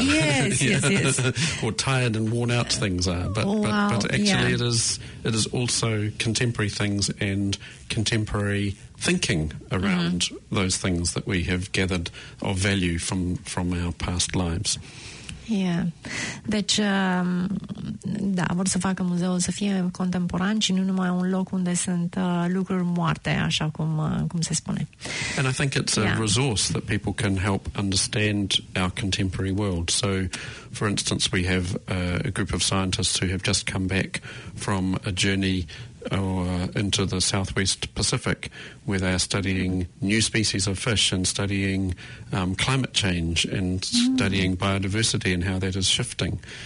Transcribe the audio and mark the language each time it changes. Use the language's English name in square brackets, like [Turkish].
[English] Yes. Or tired and worn out things are. But actually it is also contemporary things and contemporary thinking around those things that we have gathered of value from our past lives. Yeah. [Romanian] Deci, da, vor să facă muzeul să fie contemporan și nu numai un loc unde sunt lucruri moarte, așa cum se spune. [English] And I think it's a resource that people can help understand our contemporary world. So, for instance, we have a group of scientists who have just come back from a journey into the Southwest Pacific, where they are studying new species of fish and studying climate change and studying biodiversity and how that is shifting.